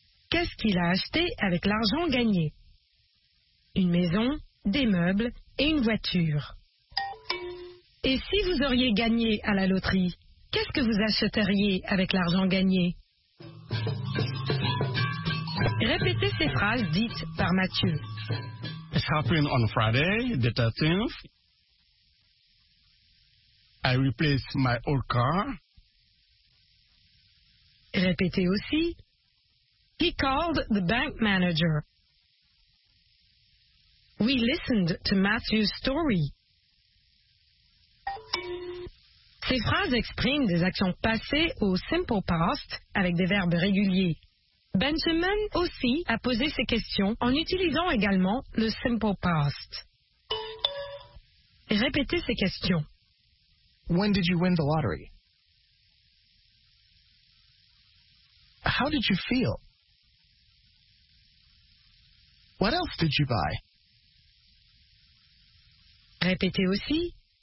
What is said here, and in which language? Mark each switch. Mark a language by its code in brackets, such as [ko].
[fr] Qu'est-ce qu'il a acheté avec l'argent gagné? Une maison, des meubles et une voiture. Et si vous auriez gagné à la loterie, qu'est-ce que vous acheteriez avec l'argent gagné? Répétez ces phrases dites par Mathieu. [en] It happened on Friday, the 13th. I replaced my old car. [fr] Répétez aussi. [en] He called the bank manager. We listened to Matthew's story. [fr] Ces phrases expriment des actions passées au simple past avec des verbes réguliers. Benjamin aussi a posé ses questions en utilisant également le simple past. Répétez ces questions. [en] When did you win the lottery? How did you feel? What else did you buy? [fr] Répétez aussi.